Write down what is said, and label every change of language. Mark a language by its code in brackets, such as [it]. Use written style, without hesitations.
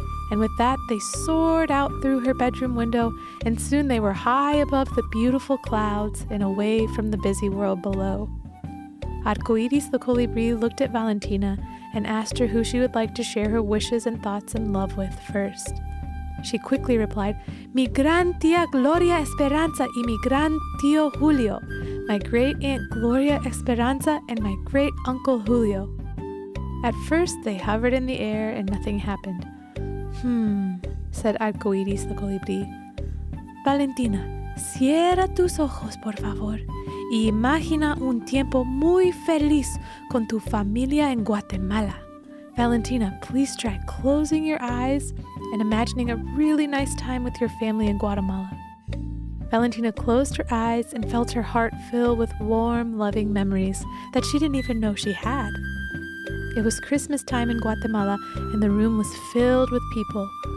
[en] And with that, they soared out through her bedroom window, and soon they were high above the beautiful clouds and away from the busy world below. Arcoiris the Colibri looked at Valentina and asked her who she would like to share her wishes and thoughts and love with first. She quickly replied, [es] Mi gran tía Gloria Esperanza y mi gran tío Julio. [en] My great aunt Gloria Esperanza and my great uncle Julio. At first, they hovered in the air and nothing happened. Said Arcoiris the Colibri. [es] Valentina, cierra tus ojos, por favor, y imagina un tiempo muy feliz con tu familia en Guatemala. [en] Valentina, please try closing your eyes and imagining a really nice time with your family in Guatemala. Valentina closed her eyes and felt her heart fill with warm, loving memories that she didn't even know she had. It was Christmas time in Guatemala, and the room was filled with people.